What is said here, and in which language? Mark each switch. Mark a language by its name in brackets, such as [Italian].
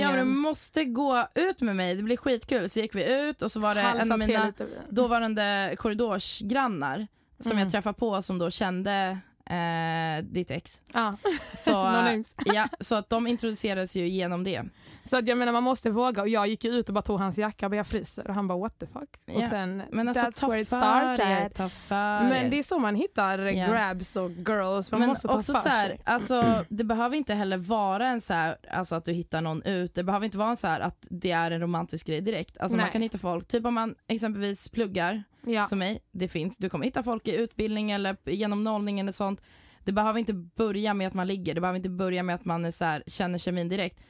[Swedish] Ja, men du måste gå ut med mig. Det blir skitkul. Så gick vi ut och så var det en av mina dåvarande korridorsgrannar som jag träffade på, som då kände ditt ex. Ah. Så, så att de introducerades ju genom det. Så att jag menar, man måste våga. Och jag gick ut och bara tog hans jacka och jag fryser. Och han bara, [English] what the fuck? Yeah. [Swedish] Och sen, men alltså, [English] that's where it started. [Swedish] Men det är så man hittar grabs och girls. Man måste ta också för så här, alltså, det behöver inte heller vara en så här, alltså att du hittar någon ut. Det behöver inte vara en så här att det är en romantisk grej direkt. Alltså, man kan hitta folk. Typ om man exempelvis pluggar. Ja. Som mig, det finns. Du kommer hitta folk i utbildning eller genom nollning eller sånt. Det behöver inte börja med att man ligger. Det behöver inte börja med att man är så här, känner kemin direkt.